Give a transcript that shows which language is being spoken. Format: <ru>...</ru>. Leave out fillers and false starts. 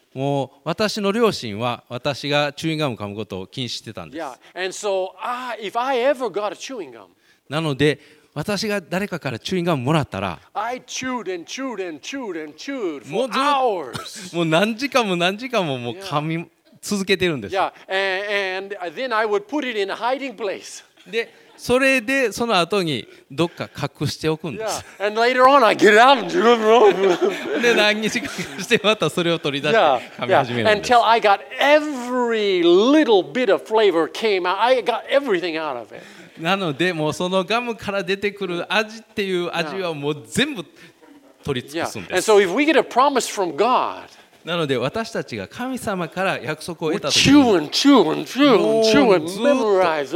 <ja>もう私の両親は私がチューインガム噛むことを禁止してたんです。</ja> <en>Yeah. And so, if I ever got a chewing gum.</en> <ja>なので私が誰かからチューインガムもらったら、もう何時間も何時間ももう噛み続けてるんです。</ja> <en>Yeah. And then I would put it in a hiding place.</en> <ja>で、それでその後にどっか隠しておくんです。</ja> <en>Yeah. And later on, I get out and drill the rope.</en> <ja>で、何日かしてまたそれを取り出して噛み始めるんです。</ja> <en>Yeah. Until I got every little bit of flavor came out. I got everything out of it.</en> <ja>なので、もうそのガムから出てくる味っていう味はもう全部取り尽くすんです。</ja> <en>And so if we get a promise from God,</en> <ja>なので私たちが神様から約束を得たときに、</ja> <en>chew and chew and chew and chew and memorize</en>